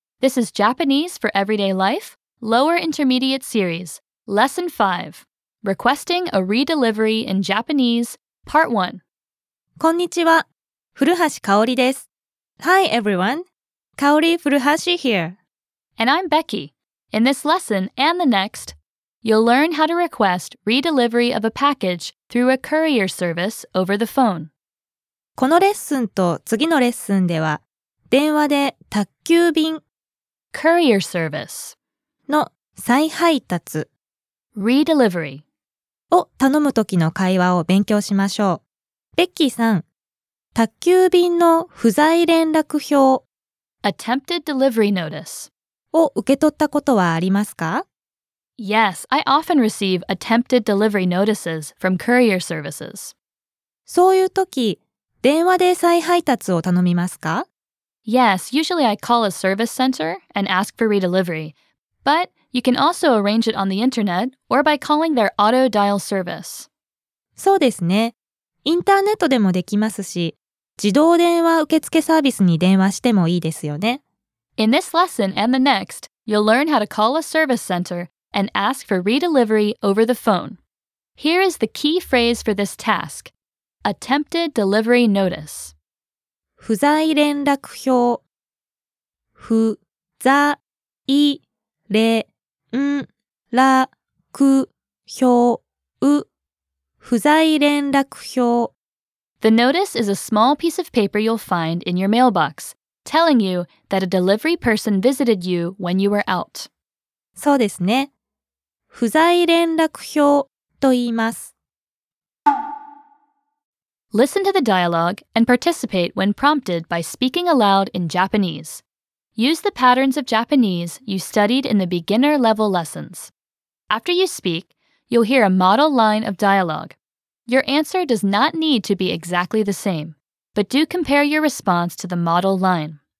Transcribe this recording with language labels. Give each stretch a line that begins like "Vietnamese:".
English: This is Japanese for Everyday Life, Lower Intermediate Series, Lesson 5. Requesting a Redelivery in Japanese, Part 1.
Japanese: こんにちは、古橋香織です。
English: Hi everyone, 香織古橋 here. And I'm Becky. In this lesson and the next, you'll learn how to request redelivery of a package through a courier service over the phone.
Japanese: このレッスンと次のレッスンでは、電話で宅急便
English: courier service
Japanese: の再配達
English: redelivery
Japanese: を頼む時の会話を勉強しましょう。ベッキーさん、宅急便の不在連絡表
English: attempted delivery notice
Japanese: を受け取ったことはありますか?
English: Yes, I often receive attempted delivery notices from courier services.
Japanese: そういう時、電話で再配達を頼みますか?
English: Yes, usually I call a service center and ask for redelivery. But you can also arrange it on the internet or by calling their auto dial service.
Japanese: そうですね。インターネットでもできますし、自動電話受付サービスに電話してもいいですよね。
English: In this lesson and the next, you'll learn how to call a service center and ask for redelivery over the phone. Here is the key phrase for this task, attempted delivery notice.
Japanese: 不在連絡表不在連絡表不在連絡表
English: The notice is a small piece of paper you'll find in your mailbox. Telling you that a delivery person visited you when you were out.
Japanese: そうですね。不在連絡表と言います。
English: Listen to the dialogue and participate when prompted by speaking aloud in Japanese. Use the patterns of Japanese you studied in the beginner level lessons. After you speak, you'll hear a model line of dialogue. Your answer does not need to be exactly the same. But do compare your response to the model line.